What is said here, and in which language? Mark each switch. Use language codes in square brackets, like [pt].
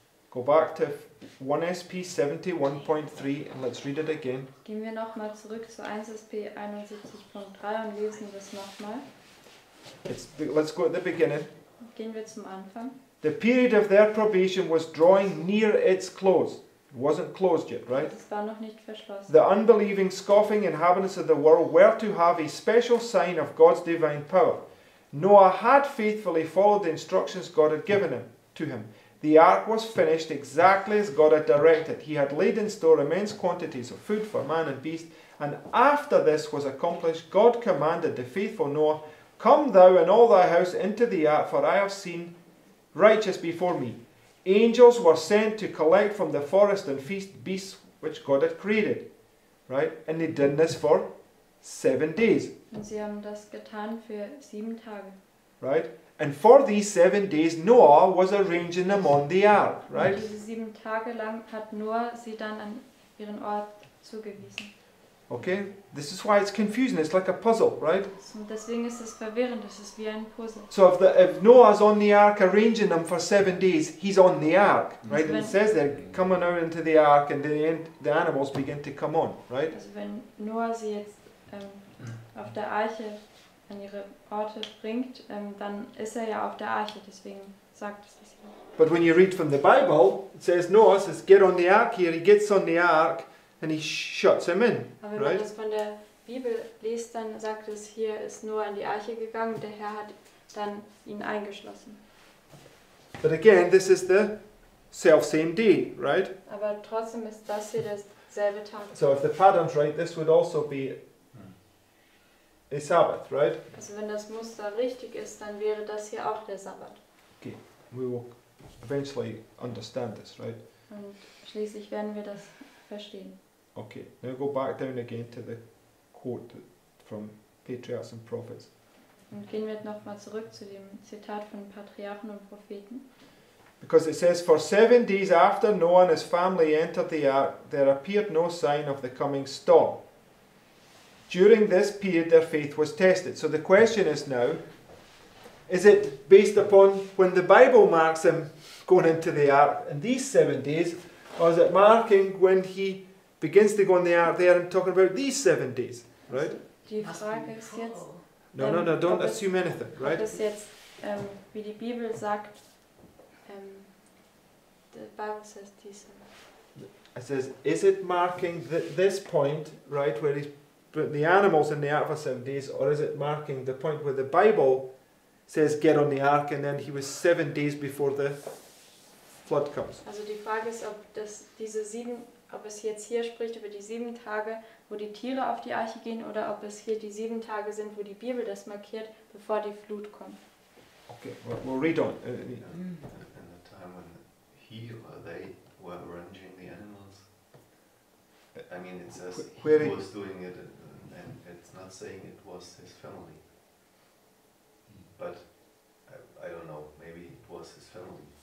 [en] Go back to 1SP 71.3 and let's read it again. [de] Gehen wir nochmal zurück zu 1SP 71.3 und lesen das nochmal. [en] Let's go at the beginning. [de] Gehen wir zum Anfang. [en] The period of their probation was drawing near its close. It wasn't closed yet, right? [de] Es war noch nicht verschlossen. [en] The unbelieving, scoffing inhabitants of the world were to have a special sign of God's divine power. Noah had faithfully followed the instructions God had given him to him. The ark was finished exactly as God had directed. He had laid in store immense quantities of food for man and beast. And after this was accomplished, God commanded the faithful Noah, come thou and all thy house into the ark, for I have seen righteous before me. Angels were sent to collect from the forest and feast beasts which God had created. Right? And they did this for 7 days. [de] Und sie haben das getan für 7 Tage. [en] Right? And for these 7 days, Noah was arranging them on the ark. Right? [de] Und diese 7 Tage lang hat Noah sie dann an ihren Ort zugewiesen. [en] Okay? This is why it's confusing. It's like a puzzle, right? [de] Deswegen ist es verwirrend. Es ist wie ein Puzzle. [en] So if Noah's on the ark arranging them for 7 days, he's on the ark, right? And it says they're coming out into the ark and the animals begin to come on, right? [de] Also wenn Noah sie jetzt auf der Arche an ihre Orte bringt, dann ist er ja auf der Arche, deswegen sagt es das hier. [en] But when you read from the Bible, it says Noah says, get on the ark here. He gets on the ark. And he shuts him in. [de] Aber wenn man das von der Bibel liest, dann sagt es, hier ist Noah in die Arche gegangen, der Herr hat dann ihn eingeschlossen. [en] But again, this is the self same day, right? [de] Aber trotzdem ist das hier derselbe Tag. [en] So if the pattern's right, this would also be a Sabbath, right? [de] Also wenn das Muster richtig ist, dann wäre das hier auch der Sabbat. [en] Okay, we will eventually understand this, right? [de] Und schließlich werden wir das verstehen. [en] Okay, now go back down again to the quote from Patriarchs and Prophets. [de] Und gehen wir nochmal zurück zu dem Zitat von Patriarchen und Propheten. [en] Because it says, for 7 days after Noah and his family entered the ark, there appeared no sign of the coming storm. During this period, their faith was tested. So the question is now, is it based upon when the Bible marks him going into the ark in these 7 days, or is it marking when he begins to go in the ark there and talking about these 7 days, right? [de] Die Frage ist jetzt, [en] No, don't assume anything, right? [de] Ob es jetzt, wie die Bibel sagt, [en] the Bible says these 7 days. It says, is it marking this point, right, where he's the animals in the ark for 7 days, or is it marking the point where the Bible says get on the ark and then he was 7 days before the flood comes? [de] Also die Frage ist, ob das diese sieben, ob es jetzt hier spricht über die 7 Tage, wo die Tiere auf die Arche gehen, oder ob es hier die 7 Tage sind, wo die Bibel das markiert, bevor die Flut kommt. [en] Okay, we'll read on. And the time when he or they were arranging the animals. I mean, it says he was doing it, and it's not saying it was his family. But I don't know, maybe it was his family.